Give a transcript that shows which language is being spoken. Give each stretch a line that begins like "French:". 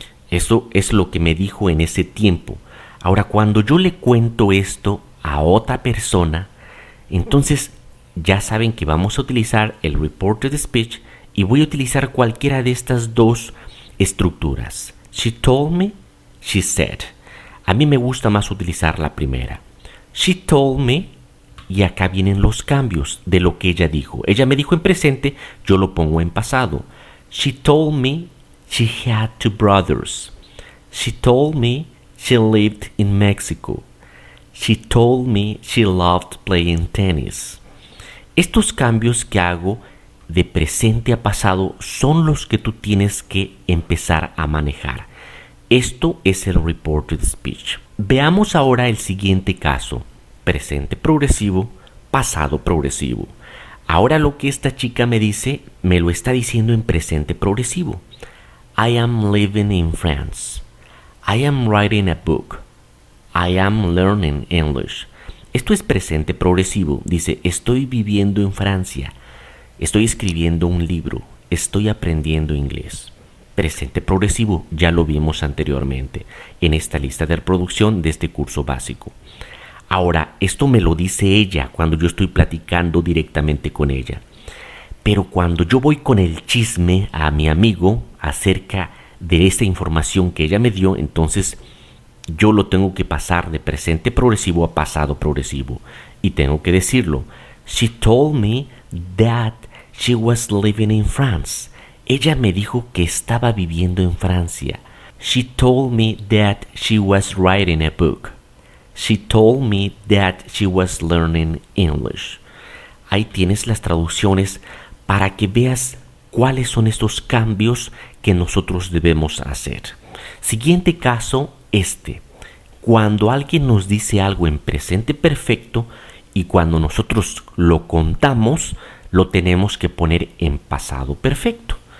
Spanish: Eso es lo que me dijo en ese tiempo. Ahora, cuando yo le cuento esto a otra persona, entonces ya saben que vamos a utilizar el reported speech y voy a utilizar cualquiera de estas dos estructuras.
English: She told me, she said.
Spanish: A mí me gusta más utilizar la primera.
English: She told me,
Spanish: y acá vienen los cambios de lo que ella dijo. Ella me dijo en presente, yo lo pongo en pasado. She told me,
English: She had two brothers. She told me she lived in Mexico. She told me she loved playing tennis.
Spanish: Estos cambios que hago de presente a pasado son los que tú tienes que empezar a manejar. Esto es el reported speech. Veamos ahora el siguiente caso. Presente progresivo, pasado progresivo. Ahora lo que esta chica me dice, me lo está diciendo en presente progresivo.
English: I am living in France. I am writing a book. I am learning English.
Spanish: Esto es presente progresivo. Dice, estoy viviendo en Francia. Estoy escribiendo un libro. Estoy aprendiendo inglés. Presente progresivo, ya lo vimos anteriormente en esta lista de reproducción de este curso básico. Ahora, esto me lo dice ella cuando yo estoy platicando directamente con ella. Pero cuando yo voy con el chisme a mi amigo acerca de esa información que ella me dio, entonces yo lo tengo que pasar de presente progresivo a pasado progresivo. Y tengo que decirlo.
English: She told me that she was living in France.
Spanish: Ella me dijo que estaba viviendo en Francia.
English: She told me that she was writing a book. She told me that she was learning English.
Spanish: Ahí tienes las traducciones para que veas cuáles son estos cambios que nosotros debemos hacer. Siguiente caso, este. Cuando alguien nos dice algo en presente perfecto y cuando nosotros lo contamos, lo tenemos que poner en pasado perfecto.